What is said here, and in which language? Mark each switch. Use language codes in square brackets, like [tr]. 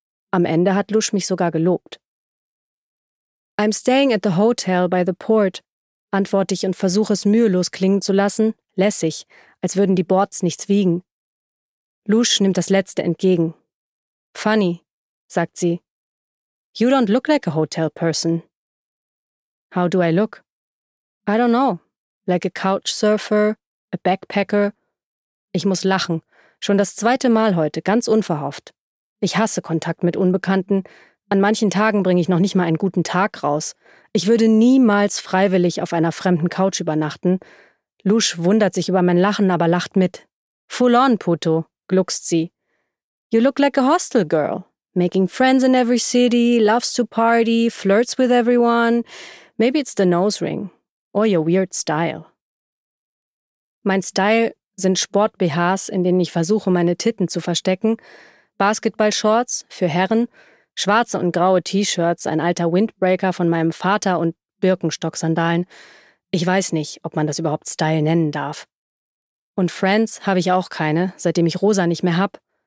[de] Am Ende hat Lusch mich sogar gelobt. [en] I'm staying at the hotel by the port, [de] antworte ich und versuche es mühelos klingen zu lassen, lässig, als würden die Boards nichts wiegen. Lusch nimmt das Letzte entgegen. [en] Funny, [de] sagt sie. [en] You don't look like a hotel person. How do I look? I don't know. Like a couchsurfer, a backpacker. [de] Ich muss lachen. Schon das zweite Mal heute, ganz unverhofft. Ich hasse Kontakt mit Unbekannten. An manchen Tagen bringe ich noch nicht mal einen guten Tag raus. Ich würde niemals freiwillig auf einer fremden Couch übernachten. Lusch wundert sich über mein Lachen, aber lacht mit. [en] Full on, [de] Puto, gluckst sie. [en] You look like a hostel girl. Making friends in every city, loves to party, flirts with everyone. Maybe it's the nose ring. Or your weird style. [de] Mein Style sind Sport-BHs, in denen ich versuche, meine Titten zu verstecken, Basketball-Shorts für Herren, schwarze und graue T-Shirts, ein alter Windbreaker von meinem Vater und Birkenstock-Sandalen. Ich weiß nicht, ob man das überhaupt Style nennen darf. Und Friends habe ich auch keine, seitdem ich Rosa nicht mehr hab.